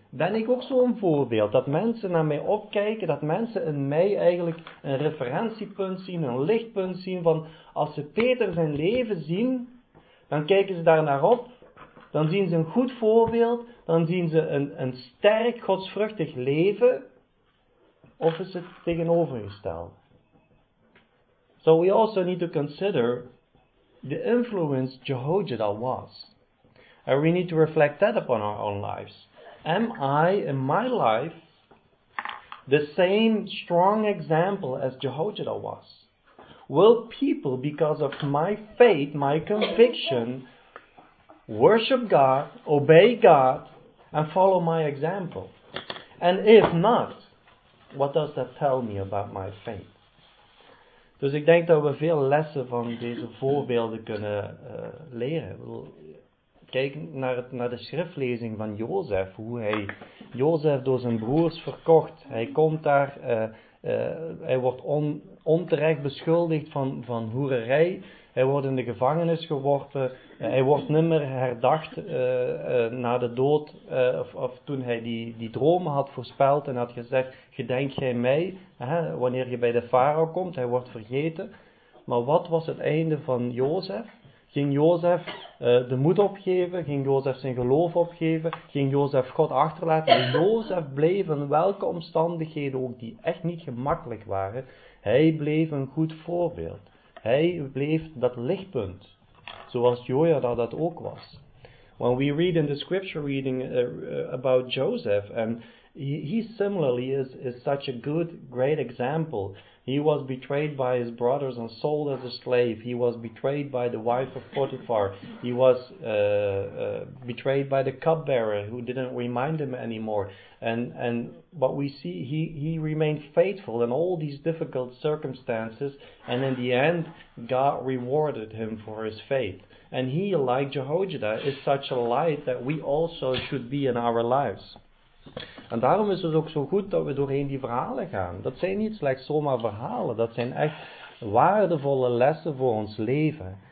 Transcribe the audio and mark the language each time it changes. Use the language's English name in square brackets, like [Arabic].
[Dutch] Ben ik ook zo'n voorbeeld? Dat mensen naar mij opkijken, dat mensen in mij eigenlijk een referentiepunt zien, een lichtpunt zien van als ze Peter zijn leven zien, dan kijken ze daar naar op. Dan zien ze een goed voorbeeld, dan zien ze een sterk, godsvruchtig leven. Of is het tegenovergesteld? [English] So we also need to consider the influence Jehojada was. And we need to reflect that upon our own lives. Am I, in my life, the same strong example as Jehojada was? Will people, because of my faith, my conviction, worship God, obey God, and follow my example? And if not, what does that tell me about my faith? [Dutch] Dus ik denk dat we veel lessen van deze voorbeelden kunnen leren. Kijk naar de schriftlezing van Jozef, hoe hij Jozef door zijn broers verkocht. Hij komt daar, hij wordt onterecht beschuldigd van hoererij. Hij wordt in de gevangenis geworpen. Hij wordt niet meer herdacht na de dood. Of toen hij die dromen had voorspeld en had gezegd, gedenk jij mij, hè, wanneer je bij de farao komt. Hij wordt vergeten. Maar wat was het einde van Jozef? Ging Jozef de moed opgeven? Ging Jozef zijn geloof opgeven? Ging Jozef God achterlaten? En Jozef bleef in welke omstandigheden ook die echt niet gemakkelijk waren. Hij bleef een goed voorbeeld. Hij bleef dat lichtpunt, zoals Jojada dat ook was. [English] When we read in the scripture reading about Joseph, and he similarly is such a good, great example. He was betrayed by his brothers and sold as a slave. He was betrayed by the wife of Potiphar. He was betrayed by the cupbearer who didn't remind him anymore. And but we see he remained faithful in all these difficult circumstances. And in the end, God rewarded him for his faith. And he, like Jehojada, is such a light that we also should be in our lives. [Dutch] En daarom is het ook zo goed dat we doorheen die verhalen gaan. Dat zijn niet slechts zomaar verhalen. Dat zijn echt waardevolle lessen voor ons leven.